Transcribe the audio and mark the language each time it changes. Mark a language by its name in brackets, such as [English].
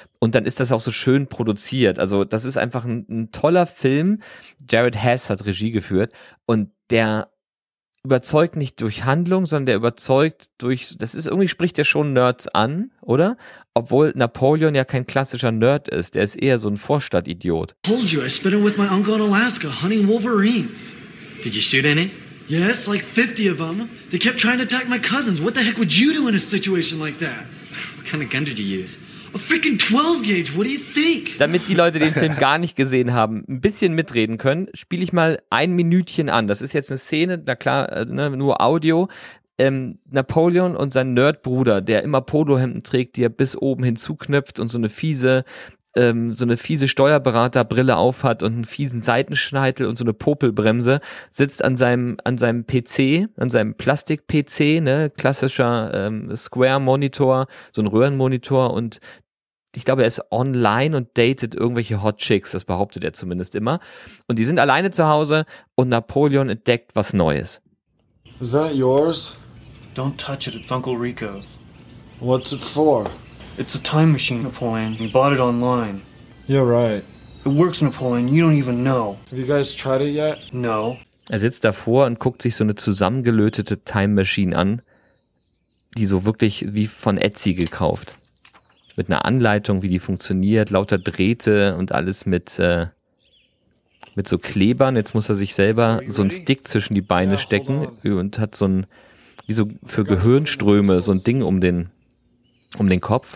[German] Und dann ist das auch so schön produziert. Also das ist einfach ein toller Film. Jared Hess hat Regie geführt und der überzeugt nicht durch Handlung, sondern der überzeugt durch, das ist irgendwie, spricht der schon Nerds an, oder? Obwohl Napoleon ja kein klassischer Nerd ist, der ist eher so ein Vorstadtidiot. [English] Told you, I spent it with my uncle in Alaska, hunting wolverines. Did you shoot any? Yes, like 50 of them. They kept trying to attack my cousins. What the heck would you do in a situation like that? What kind of gun did you use? A freaking 12 gauge, what do you think? [German] Damit die Leute den Film gar nicht gesehen haben, ein bisschen mitreden können, spiele ich mal ein Minütchen an. Das ist jetzt eine Szene, na klar, ne, nur Audio. Napoleon und sein Nerdbruder, der immer Polohemden trägt, die er bis oben hinzuknöpft und so eine fiese Steuerberaterbrille auf hat und einen fiesen Seitenscheitel und so eine Popelbremse, sitzt an seinem PC, an seinem Plastik-PC, ne, klassischer Square-Monitor, so ein Röhrenmonitor, und ich glaube, er ist online und datet irgendwelche Hot Chicks, das behauptet er zumindest immer. Und die sind alleine zu Hause und Napoleon entdeckt was Neues. [English] Is that yours? Don't touch it, it's Uncle Rico's. What's it for? It's a time machine, Napoleon. We bought it online. You're right. It works, Napoleon. You don't even know. Have you guys tried it yet? No. [German] Er sitzt davor und guckt sich so eine zusammengelötete Time Machine an, die so wirklich wie von Etsy gekauft. Mit einer Anleitung, wie die funktioniert, lauter Drähte und alles mit so Klebern. Jetzt muss er sich selber so einen Stick zwischen die Beine stecken und hat so ein, wie so für Gehirnströme, so ein Ding um den Kopf.